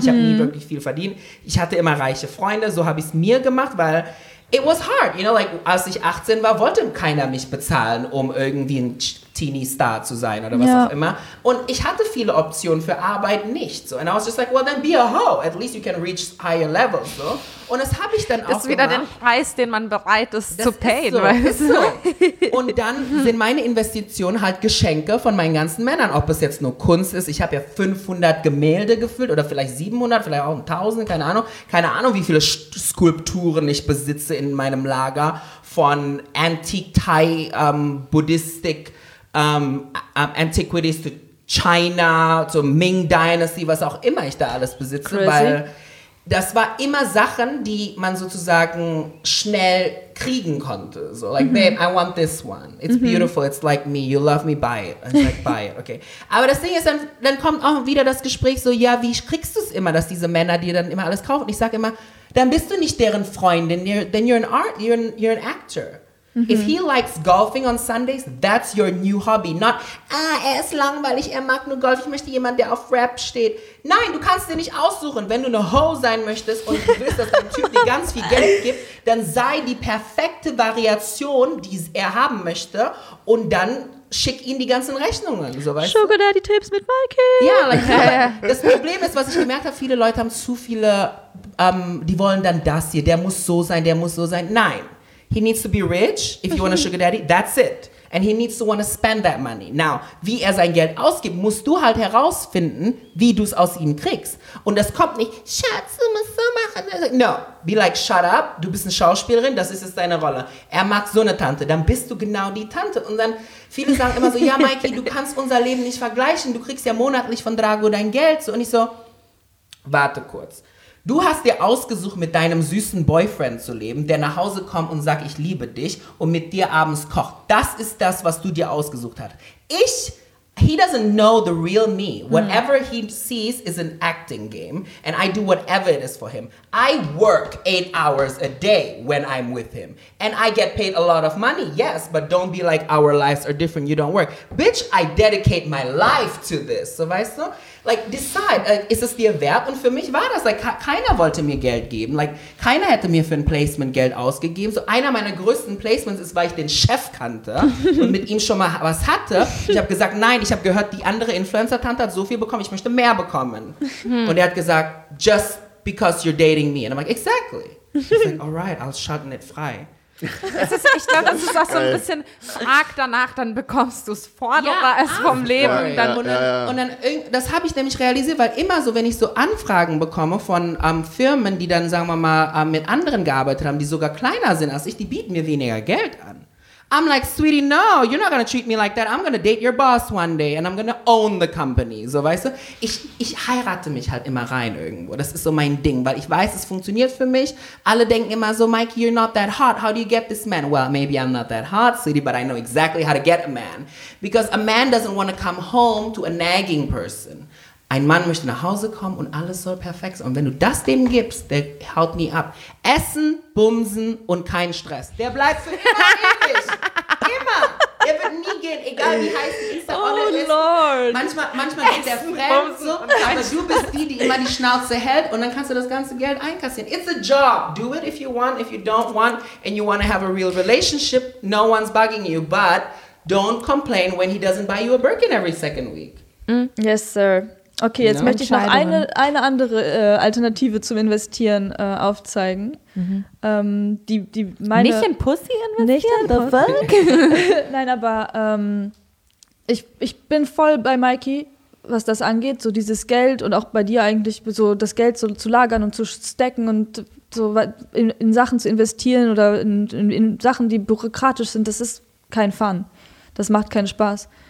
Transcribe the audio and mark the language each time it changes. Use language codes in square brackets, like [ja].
[de] Ich habe nie wirklich viel verdienen. Ich hatte immer reiche Freunde, so habe ich es mir gemacht, weil [en] it was hard, you know, like, [de] als ich 18 war, wollte keiner mich bezahlen, um irgendwie ein Teenie-Star zu sein oder was, ja, auch immer. Und ich hatte viele Optionen für Arbeit nicht, so. [en] And I was just like, well, then be a hoe. At least you can reach higher levels, so. [de] Und das habe ich dann ist auch gemacht. Ist wieder den Preis, den man bereit ist das zu payen, weißt du? Ist so. Und dann sind meine Investitionen halt Geschenke von meinen ganzen Männern. Ob es jetzt nur Kunst ist, ich habe ja 500 Gemälde gefüllt oder vielleicht 700, vielleicht auch 1000, keine Ahnung. Keine Ahnung, wie viele Skulpturen ich besitze in meinem Lager von [en] Antiquities to China, to Ming Dynasty, [de] was auch immer ich da alles besitze, crazy, weil das war immer Sachen, die man sozusagen schnell kriegen konnte. [en] So, like, babe, I want this one. It's beautiful, it's like me, you love me, buy it. And it's like, buy it, okay. [de] Aber das Ding ist, dann kommt auch wieder das Gespräch so, ja, wie kriegst du es immer, dass diese Männer dir dann immer alles kaufen? Ich sage immer, dann bist du nicht deren Freundin, [en] then you're an actor. If he likes golfing on Sundays, that's your new hobby. [de] Not, ah, er ist langweilig, er mag nur Golf, ich möchte jemanden, der auf Rap steht. Nein, du kannst dir nicht aussuchen. Wenn du eine Ho sein möchtest und du willst, dass ein Typ dir ganz viel Geld gibt, dann sei die perfekte Variation, die er haben möchte, und dann schick ihn die ganzen Rechnungen. So, weißt Sugar Daddy Tipps mit Mikey. Ja, like, ja, das Problem ist, was ich gemerkt habe, viele Leute haben zu viele, die wollen dann das hier, der muss so sein, der muss so sein. Nein. [en] He needs to be rich, if you want a sugar daddy, that's it. And he needs to want to spend that money. [de] Now, wie er sein Geld ausgibt, musst du halt herausfinden, wie du es aus ihm kriegst. Und das kommt nicht, Schatz, du musst so machen. [en] No, be like, shut up, [de] du bist eine Schauspielerin, das ist jetzt deine Rolle. Er mag so eine Tante, dann bist du genau die Tante. Und dann, viele sagen immer so, ja, Mikey, du kannst unser Leben nicht vergleichen, du kriegst ja monatlich von Drago dein Geld. Und ich so, warte kurz. Du hast dir ausgesucht, mit deinem süßen Boyfriend zu leben, der nach Hause kommt und sagt, ich liebe dich, und mit dir abends kocht. Das ist das, was du dir ausgesucht hast. [en] Ich, he doesn't know the real me. Whatever he sees is an acting game, and I do whatever it is for him. I work 8 hours a day when I'm with him, and I get paid a lot of money, yes, but don't be like, our lives are different, you don't work. Bitch, I dedicate my life to this, [de] so weißt du? Like, decide, ist es dir wert? Und für mich war das, like, keiner wollte mir Geld geben. Like, keiner hätte mir für ein Placement Geld ausgegeben. So, einer meiner größten Placements ist, weil ich den Chef kannte und mit ihm schon mal was hatte. Ich habe gesagt, nein, ich habe gehört, die andere Influencer-Tante hat so viel bekommen, ich möchte mehr bekommen. Und er hat gesagt, [en] just because you're dating me. And I'm like, exactly. He's like, all right, I'll shut it frei. [de] Ich glaube, das ist auch so ein bisschen, frag danach, dann bekommst du es, fordere es vom Leben. Ja, dann, ja, und, dann, ja, ja. Und dann, das habe ich nämlich realisiert, weil immer so, wenn ich so Anfragen bekomme von Firmen, die dann, sagen wir mal, mit anderen gearbeitet haben, die sogar kleiner sind als ich, die bieten mir weniger Geld an. [en] I'm like, sweetie, no, you're not gonna treat me like that. I'm gonna date your boss one day and I'm gonna own the company. [de] So, weißt du? Ich heirate mich halt immer rein irgendwo. Das ist so mein Ding, weil ich weiß, es funktioniert für mich. Alle denken immer so, [en] Mikey, you're not that hot. How do you get this man? Well, maybe I'm not that hot, sweetie, but I know exactly how to get a man. Because a man doesn't want to come home to a nagging person. [de] Ein Mann möchte nach Hause kommen und alles soll perfekt sein. Und wenn du das dem gibst, der haut nie ab. Essen, bumsen und kein Stress. Der bleibt für immer ewig. Immer. Der wird nie gehen, egal wie heiß die Instagram ist. [en] Oh Lord. [de] Manchmal geht der fremd so, aber du bist die, die immer die Schnauze hält und dann kannst du das ganze Geld einkassieren. [en] It's a job. Do it if you want, if you don't want and you want to have a real relationship. No one's bugging you, but don't complain when he doesn't buy you a Birkin every second week. Yes, sir. [de] Okay, jetzt möchte ich noch eine andere Alternative zum Investieren aufzeigen. Mhm. Die meine nicht in Pussy investieren? Nicht in [en] the fuck? [de] Nein, aber ich bin voll bei Mikey, was das angeht, so dieses Geld und auch bei dir eigentlich so das Geld so zu lagern und zu stacken und so in Sachen zu investieren oder in Sachen, die bürokratisch sind, das ist kein Fun. Das macht keinen Spaß.